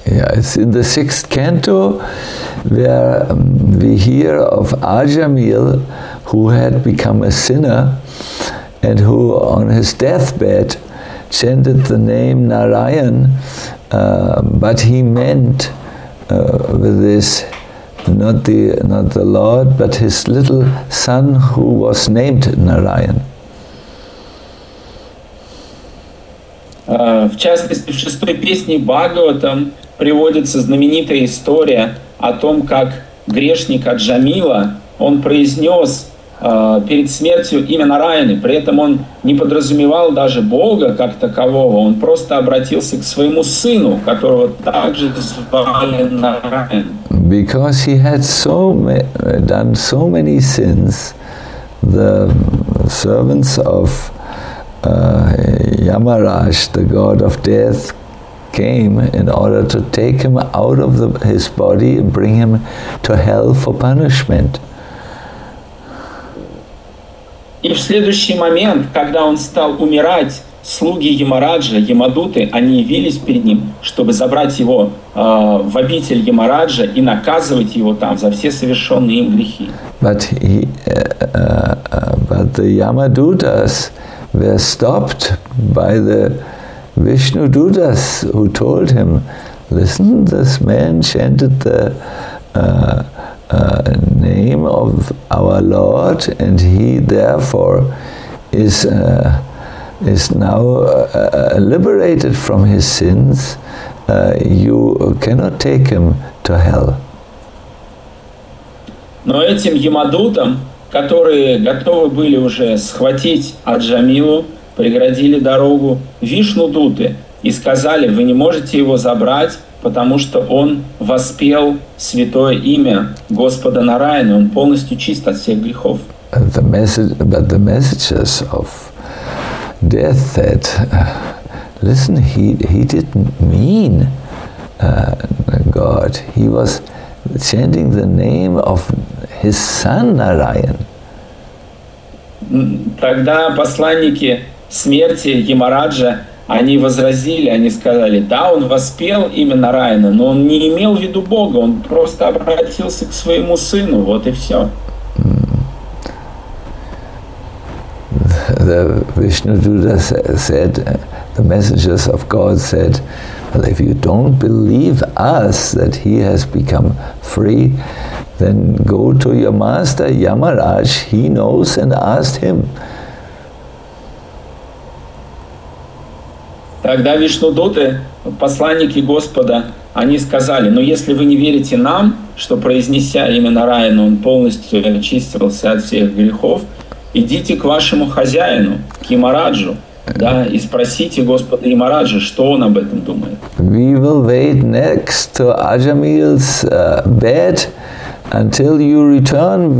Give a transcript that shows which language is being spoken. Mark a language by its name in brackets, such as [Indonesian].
[English] Yeah, it's in the sixth canto where we hear of Ajamil, who had become a sinner and who on his deathbed chanted the name Narayan, but he meant with this not the Lord, but his little son who was named Narayan. [Russian] В частности, в шестой песне Бхагаватам приводится знаменитая история о том, как грешник Аджамила, он произнес перед смертью имя Нараяны, при этом он не подразумевал даже Бога как такового, он просто обратился к своему сыну, которого также звали Нараян. [English] Because he had done so many sins, the servants of Yamaraj, the god of death, came in order to take him out of his body and bring him to hell for punishment. [Russian] И в следующий момент, когда он стал умирать, слуги Ямараджа, Ямадуты, они явились перед ним, чтобы забрать его в обитель Ямараджа и наказывать его там за все совершенные им грехи. [English] But the Yamadutas were stopped by the Vishnu Dutas, who told him, "Listen, this man chanted the name of our Lord, and he therefore is now liberated from his sins. You cannot take him to hell." [Russian] Но этим Ямадутам, которые готовы были уже схватить Аджамилу, преградили дорогу Вишнудуты и сказали: "Вы не можете его забрать, потому что он воспел святое имя Господа Нараяна, он полностью чист от всех грехов. [English] The message, but the messages of death that listen, he didn't mean God. He was chanting the name of his son Narayan. [Russian] Тогда посланники смерти Ямараджа, они возразили, они сказали: да, он воспел имя Нараяна, но он не имел в виду Бога, он просто обратился к своему сыну, вот и все. [English] The Vishnu Duta said, the messengers of God said, well, if you don't believe us that he has become free, then go to your master Yamaraj, he knows, and ask him. [Russian] Тогда Вишнудуты, посланники Господа, они сказали: но если вы не верите нам, что произнеся имя Нараяна, он полностью очистился от всех грехов, идите к вашему хозяину, к Ямараджу, да, и спросите Господа Ямараджа, что он об этом думает. [English] We will wait next to Ajamil's bed until you return.